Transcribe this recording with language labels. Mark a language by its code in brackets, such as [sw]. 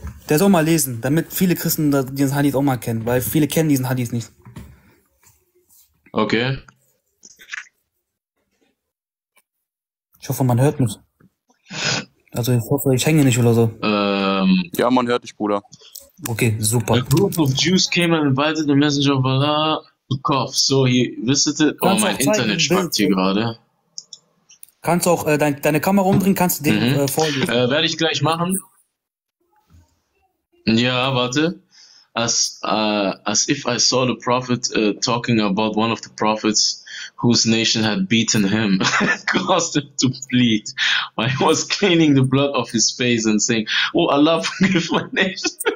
[de] Der soll mal lesen, damit viele Christen diesen Hadith auch mal kennen, weil viele kennen diesen Hadith nicht. Okay. Ich hoffe, man hört mich. Also ich hoffe, ich hänge nicht oder so. Ja, man hört dich, Bruder. Okay, super. [en] A group of Jews came and invited the messenger of Allah to cough. So he visited... [de] Oh, mein Internet spackt hier gerade. Kannst du auch deine Kamera umbringen, kannst du den vorlesen. Werde ich gleich machen. Ja, warte. [en] As if I saw the prophet talking about one of the prophets whose nation had beaten him, caused him to bleed. I was cleaning the blood off his face and saying, oh Allah, forgive my nation.